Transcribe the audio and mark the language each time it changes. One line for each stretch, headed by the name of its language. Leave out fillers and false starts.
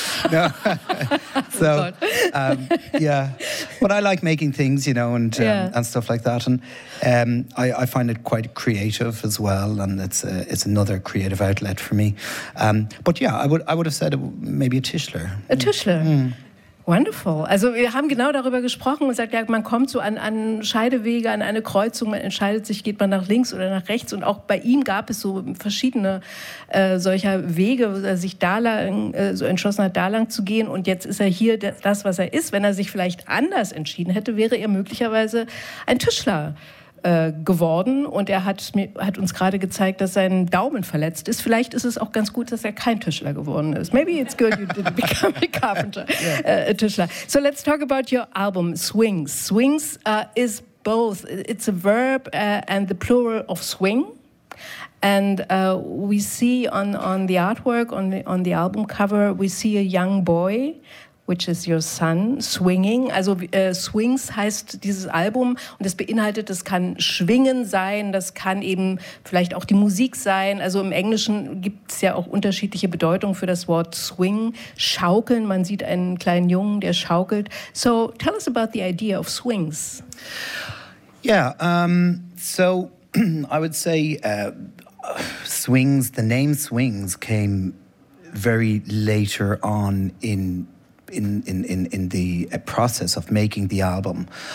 English: No. So, yeah. But I like making things, you know, and yeah, and stuff like that. And I find it quite creative as well. And it's another creative outlet for me. But yeah, I would have said maybe a Tischler. A Tischler. Mm. Wonderful.
German: Also wir haben genau darüber gesprochen und gesagt, ja, man kommt so an Scheidewege, an eine Kreuzung, man entscheidet sich, geht man nach links oder nach rechts. Und auch bei ihm gab es so verschiedene solcher Wege, wo er sich da lang, so entschlossen hat, da lang zu gehen. Und jetzt ist er hier das, was er ist. Wenn er sich vielleicht anders entschieden hätte, wäre er möglicherweise ein Tischler geworden. Und er hat uns gerade gezeigt, dass sein Daumen verletzt ist. Vielleicht ist es auch ganz gut, dass er kein Tischler geworden ist.
English: Maybe it's good you didn't become a carpenter, yeah. Tischler. So let's talk about your album, Swings. Swings is both. It's a verb and the plural of swing. And we see on the artwork, on the album cover, we see a young boy, which is your son, swinging.
German: Also Swings heißt dieses Album und das beinhaltet, das kann schwingen sein, das kann eben vielleicht auch die Musik sein. Also im Englischen gibt es ja auch unterschiedliche Bedeutungen für das Wort swing, schaukeln. Man sieht einen kleinen Jungen, der schaukelt.
English: So tell us about the idea of swings. Yeah, so I would say swings, the name swings came very later on in the process of making the album.